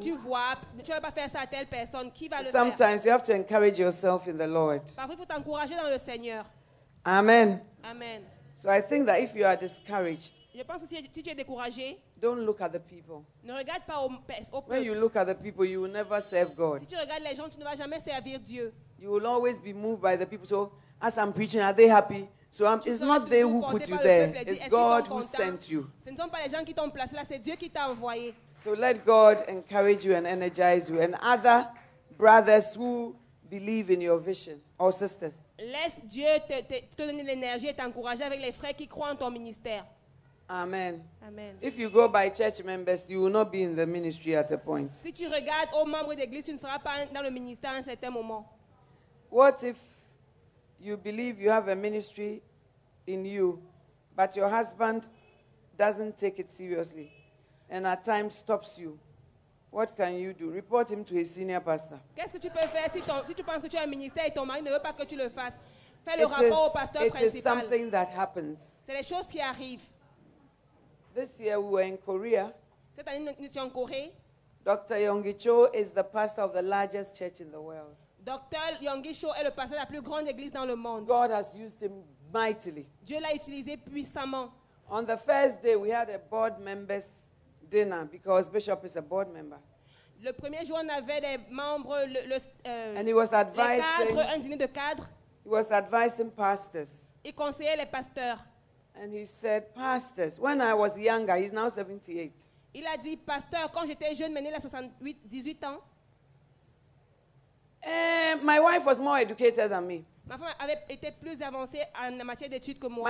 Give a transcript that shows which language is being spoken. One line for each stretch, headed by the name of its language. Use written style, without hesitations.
French: Tu vois, tu ne vas pas faire ça à telle personne. Qui va le faire?
English: Sometimes you have to encourage yourself in the Lord.
French: Parfois, il faut t'encourager dans le Seigneur.
English: Amen.
French: Amen.
English: So I think that if you are discouraged,
French: je pense que si tu es découragé,
English: don't look at the people.
French: Ne regarde pas aux personnes.
English: When you look at the people, you will never serve God.
French: Si tu regardes les gens, tu ne vas jamais servir Dieu.
English: You will always be moved by the people. So as I'm preaching, are they happy? So I'm, it's not they who put you there. It's God who sent you.
French: Ce ne sont pas les gens qui t'ont placé là, c'est Dieu qui t'a envoyé.
English: So let God encourage you and energize you and other brothers who believe in your vision or sisters.
French: Laisse Dieu te donner l'énergie et t'encourager avec les frères qui croient en ton ministère.
English: Amen.
French: Amen.
English: If you go by church members, you will not be in the ministry at a point.
French: Si tu regardes aux membres d'église, tu ne seras pas dans le ministère à un certain moment.
English: What if you believe you have a ministry in you, but your husband doesn't take it seriously and at times stops you? What can you do? Report him to his senior pastor.
French: Qu'est-ce que tu peux faire si tu penses que tu as un ministère et ton mari ne veut pas que tu le fasses? Fais le rapport au pasteur principal.
English: It is something that happens.
French: C'est les choses qui arrivent.
English: This year we were in Korea.
French: Cette année, nous étions en Corée.
English: Dr. Yonggi Cho is the pastor of the largest church in the world.
French: Dr. Yonggi Cho est le pasteur de la plus grande église dans le monde.
English: God has used him mightily.
French: Dieu l'a utilisé puissamment.
English: On the first day, we had a board members dinner because Bishop is a board member.
French: Le premier jour, on avait des membres,
English: and he was advising,
French: les cadres, un dîner de cadres.
English: He was advising pastors.
French: Il conseillait les pasteurs.
English: And he said, pastors, when I was younger, he's now 78.
French: Il a dit, pasteur, quand j'étais jeune, mais il a 18 ans.
English: My wife was more educated than me.
French: Ma femme avait été plus avancée en matière d'études que moi.